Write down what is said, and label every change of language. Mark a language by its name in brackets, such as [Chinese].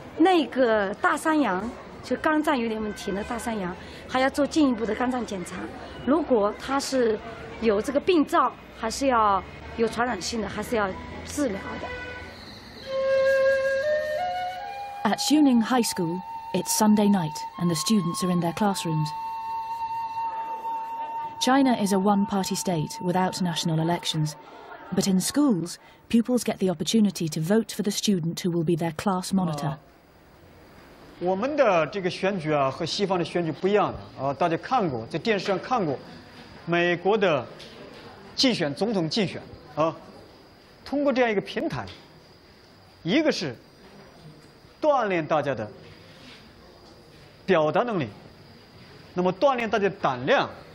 [Chinese] 那个大三阳。就肝脏有点问题，那大三阳还要做进一步的肝脏检查。如果他是有这个病灶，还是要有传染性的，还是要治疗的。 [English] At Suning High School, it's Sunday night and the students are in their classrooms. China is a one-party state without national elections, but in schools, pupils get the opportunity to vote for the student who will be their class monitor. [Chinese] 我们的这个选举啊，和西方的选举不一样的啊。大家看过，在电视上看过，美国的竞选总统竞选啊，通过这样一个平台，一个是锻炼大家的表达能力，那么锻炼大家的胆量。